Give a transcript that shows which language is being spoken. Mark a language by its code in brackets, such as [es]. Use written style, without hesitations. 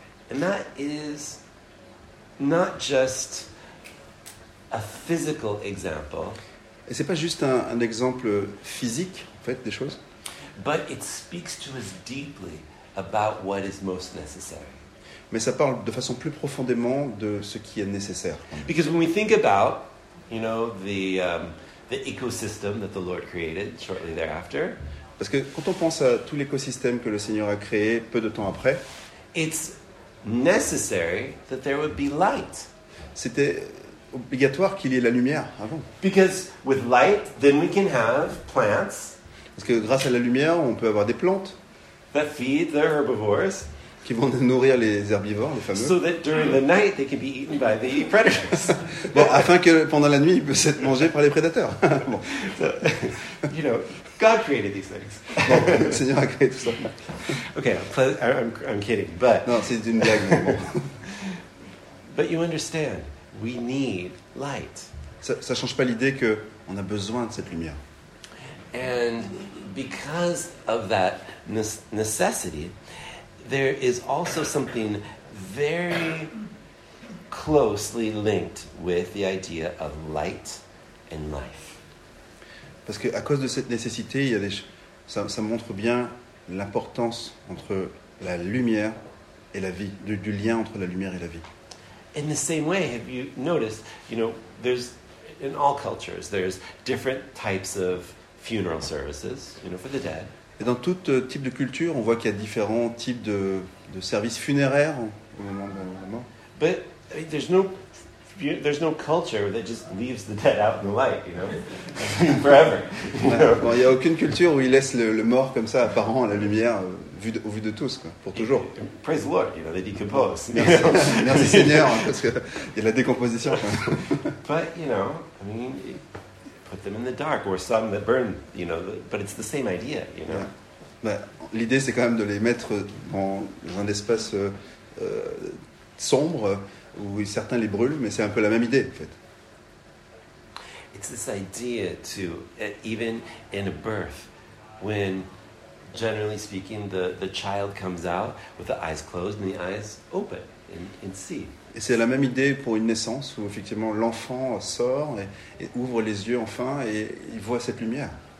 [en] And that is not just a physical example. [fr] Et c'est pas juste un exemple physique, en fait, des choses. [en] But it speaks to us deeply about what is most necessary. [fr] Mais ça parle de façon plus profondément de ce qui est nécessaire. [en] Because when we think about, you know, the ecosystem that the Lord created shortly thereafter. [fr] Parce que quand on pense à tout l'écosystème que le Seigneur a créé peu de temps après, [en] it's necessary that there would be light. [fr] C'était obligatoire qu'il y ait la lumière avant. [en] Because with light, then we can have plants. [fr] Parce que grâce à la lumière, on peut avoir des plantes [en] that feed their herbivores, [fr] qui vont nourrir les herbivores, les fameux. [en] So that during the night they can be eaten by the predators. [fr] Bon, afin que pendant la nuit ils puissent être mangés par les prédateurs. [en] You know, God created these things. [fr] Bon, le Seigneur a créé tout ça. [en] Okay, I'm kidding, but. [fr] Non, c'est une blague, mais bon. [en] But you understand, we need light. [fr] Ça ne change pas l'idée que on a besoin de cette lumière. [en] And because of that necessity, there is also something very closely linked with the idea of light and life. [fr] Parce que à cause de cette nécessité, il y a des ça montre bien l'importance entre la lumière et la vie, du lien entre la lumière et la vie. [en] In the same way, have you noticed, you know, there's in all cultures there's different types of funeral services, you know, for the dead. [fr] Et dans tout type de culture, on voit qu'il y a différents types de services funéraires au moment de la mort. [en] But I mean, there's no culture that just leaves the dead out in the light, you know, forever. [fr] Bon, il y a aucune culture où ils laissent le mort comme ça apparent à la lumière au vu de tous, quoi, pour toujours. [en] Praise the Lord, you know, they decompose. [fr] Merci Seigneur, parce que il y a de la décomposition. [en] But you know, I mean. Put them in the dark, or some that burn, you know. But it's the same idea, you know. [fr] Mais l'idée c'est quand même de les mettre dans un espace sombre où certains les brûlent, mais c'est un peu la même idée, en fait. [en] It's this idea too, even in a birth, when, generally speaking, the child comes out with the eyes closed and the eyes open and see. [fr] Et c'est la même idée pour une naissance où effectivement l'enfant sort et ouvre les yeux enfin et il voit cette lumière.